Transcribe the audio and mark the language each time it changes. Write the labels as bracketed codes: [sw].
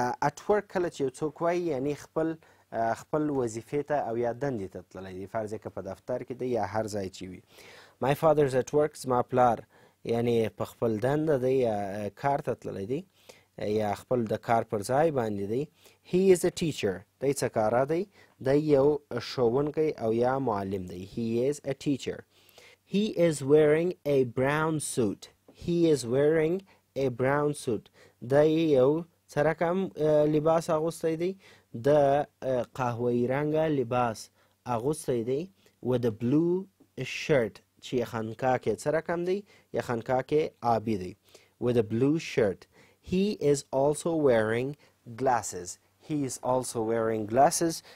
[en] At work [ps] کله چې یو څوک وایي، یعنی خپل وظیفې ته او یا دندې ته تللی دی، فرض که په دفتر کې دی یا هر ځای چې وي. [en] My father is at work. [ps] زما پلار، یعنی په خپل دنده دی یا کار ته تللی دی یا خپل د کار پر ځای باندې دی. [en] He is a teacher. [ps] دی څه کار دی؟ دی یو ښوونکی او یا معلم دی. [en] He is a teacher. He is wearing a brown suit. He is wearing a brown suit. [ps] دی یو څه رقم لباس اغوستی دی، د قهوه‌ای رنګه لباس اغوستی دی. [en] With a blue shirt. [ps] چې یخنکاک یې څه رقم دی؟ یخنکاک یې آبي دی. [en] With a blue shirt. He is also wearing glasses. He is also wearing glasses.